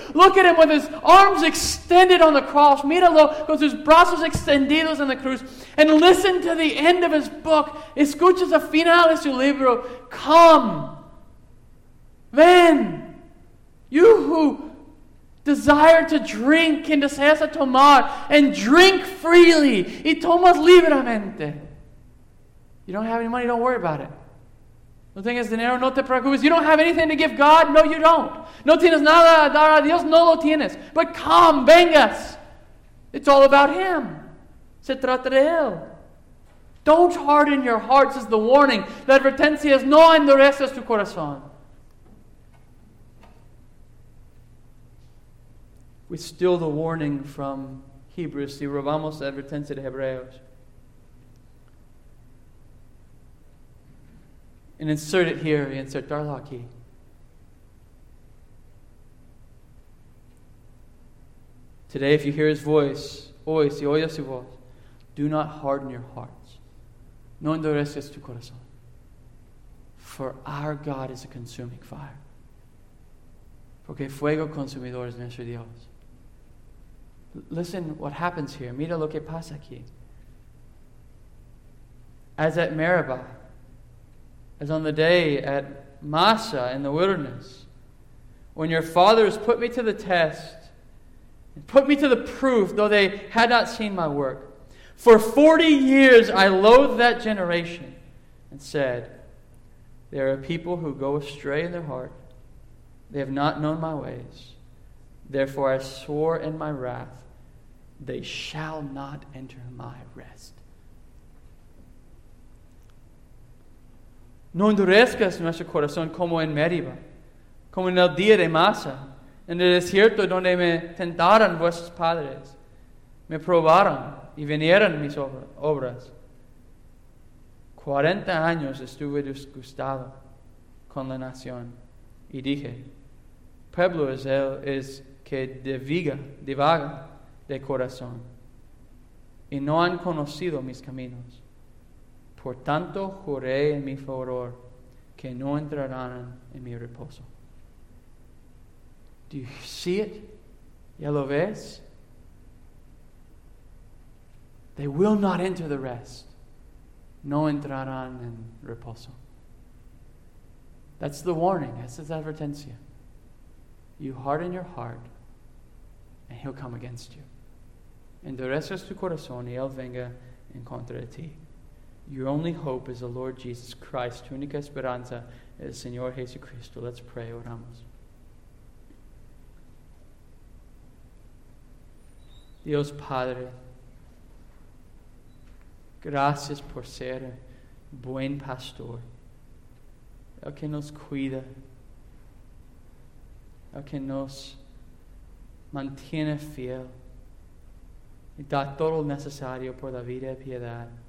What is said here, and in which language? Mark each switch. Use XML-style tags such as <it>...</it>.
<en>Look at him with his arms extended on the cross.</en> <es>Míralo con sus brazos extendidos en la cruz.</es> <en>And listen to the end of his book.</en> <es>Escuchas el final de su libro.</es> <en>Come.</en> <es>Ven.</es> <en>You who desire to drink and</en> <es>deseas a tomar.</es> <en>And drink freely.</en> <es>Y tomas libremente.</es> <en>You don't have any money, don't worry about it.</en> <es>No tengas dinero, no te preocupes.</es> <en>You don't have anything to give God? No, you don't.</en> <es>No tienes nada a dar a Dios? No lo tienes.</es> <en>But come,</en> <es>vengas.</es> <en>It's all about him.</en> <es>Se trata de él.</es> <en>Don't harden your hearts is the warning.</en> <es>La advertencia es no endureces tu corazón.</es> <en>We steal the warning from Hebrews.</en> <es>Si robamos la advertencia de Hebreos.</es> <en>And insert it here. Insert Darlaki. Today, if you hear his voice,</en> <es>hoy, si oyes su voz,</es> <en>do not harden your hearts.</en> <es>No endureces tu corazón.</es> <en>For our God is a consuming fire.</en> <es>Porque fuego consumidor es nuestro Dios.</es> <en>Listen what happens here.</en> <es>Mira lo que pasa aquí.</es> <en>As at Meribah, as on the day at Massa in the wilderness, when your fathers put me to the test, put me to the proof, though they had not seen my work. For 40 years I loathed that generation and said, there are people who go astray in their heart. They have not known my ways. Therefore I swore in my wrath, they shall not enter my rest.</en> <es>No endurezcas nuestro corazón como en Meriba, como en el día de Masa. En el desierto donde me tentaron vuestros padres, me probaron y vinieron mis obras. 40 años estuve disgustado con la nación y dije, pueblo es él es que divaga de corazón y no han conocido mis caminos. Por tanto, juré en mi furor que no entrarán en mi reposo.</es> <en>Do you see it?</en> <es>¿Ya lo ves?</es> <en>They will not enter the rest.</en> <es>No entrarán en reposo.</es> <en>That's the warning. That's the advertencia. You harden your heart, and he'll come against you.</en> <es>Endureces tu corazón, y él venga en contra de ti.</es> <en>Your only hope is the Lord Jesus Christ.</en> <es>Tu única esperanza es el Señor Jesucristo.</es> <en>Let's pray,</en> <es>oramos. Dios Padre, gracias por ser buen pastor, el que nos cuida, el que nos mantiene fiel y da todo lo necesario por la vida y piedad.</es>